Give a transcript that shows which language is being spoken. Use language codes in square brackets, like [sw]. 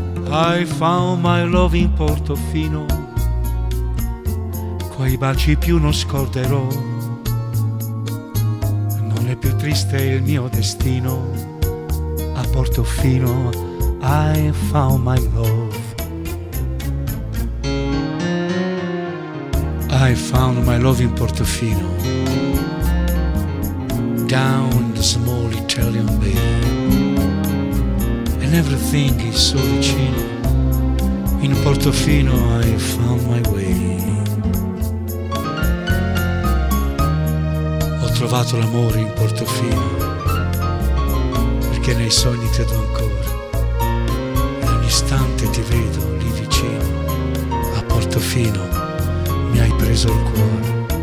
[en] I found my love in Portofino, quei baci più non scorderò. [it] Non è più triste il mio destino, a Portofino I found my love. [en] I found my love in Portofino, down the small Italian bay, and everything is so vicino. In Portofino I found my way. [it] Ho trovato l'amore in Portofino, perché nei sogni credo ancora. In un istante ti vedo lì vicino, a Portofino mi hai preso il cuore.